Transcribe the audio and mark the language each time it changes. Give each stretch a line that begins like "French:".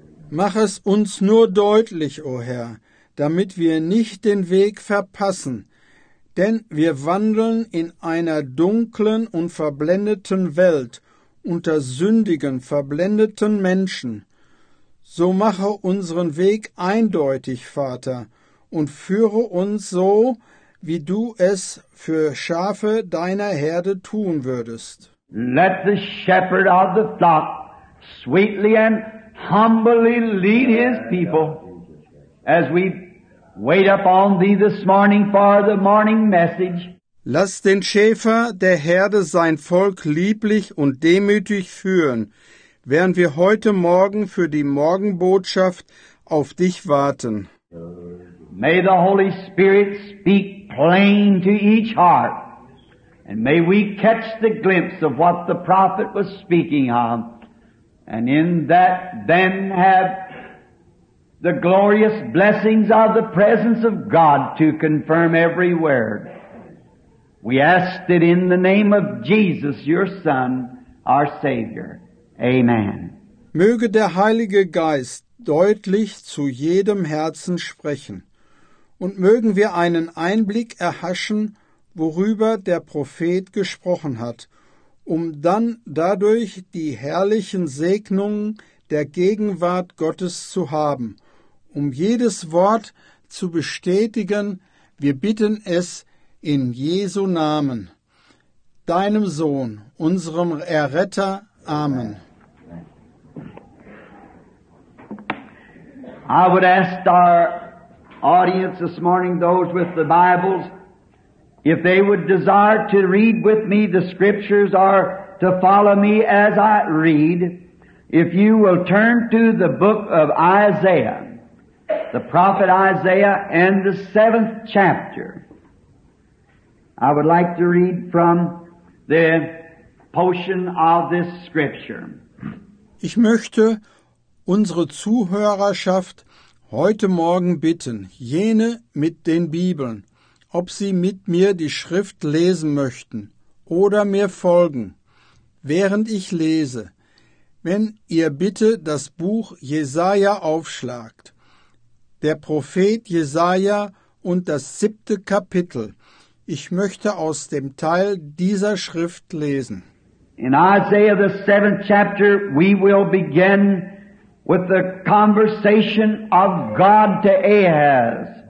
German: Mach es uns nur deutlich, o Herr, damit wir nicht den Weg verpassen, denn wir wandeln in einer dunklen und verblendeten Welt unter sündigen, verblendeten Menschen. So mache unseren Weg eindeutig, Vater, und führe uns so, wie du es für Schafe deiner Herde tun würdest.
English: Let the shepherd of the flock sweetly and humbly lead his people. as we wait upon thee this morning for the morning message.
German: Lass den Schäfer der Herde sein Volk lieblich und demütig führen, während wir heute Morgen für die Morgenbotschaft auf dich warten.
English: May the Holy Spirit speak plain to each heart, and may we catch the glimpse of what the prophet was speaking of, and in that then have the glorious blessings of the presence of God to confirm every word. We ask it in the name of Jesus, your Son, our Savior. Amen.
German: Möge der Heilige Geist deutlich zu jedem Herzen sprechen, und mögen wir einen Einblick erhaschen, worüber der Prophet gesprochen hat, um dann dadurch die herrlichen Segnungen der Gegenwart Gottes zu haben. Um jedes Wort zu bestätigen, wir bitten es in Jesu Namen, deinem Sohn, unserem Erretter. Amen.
English: I would ask our audience this morning, those with the Bibles, if they would desire to read with me the scriptures or to follow me as I read, if you will turn to the book of Isaiah, the prophet Isaiah, and the 7th chapter. I would like to read from the portion of this scripture.
German: Ich möchte unsere Zuhörerschaft heute Morgen bitten, jene mit den Bibeln, ob sie mit mir die Schrift lesen möchten oder mir folgen, während ich lese, wenn ihr bitte das Buch Jesaja aufschlagt, der Prophet Jesaja und das 7. Kapitel. Ich möchte aus dem Teil dieser Schrift lesen.
English: In Isaiah, the 7th chapter, we will begin with the conversation of God to Ahaz.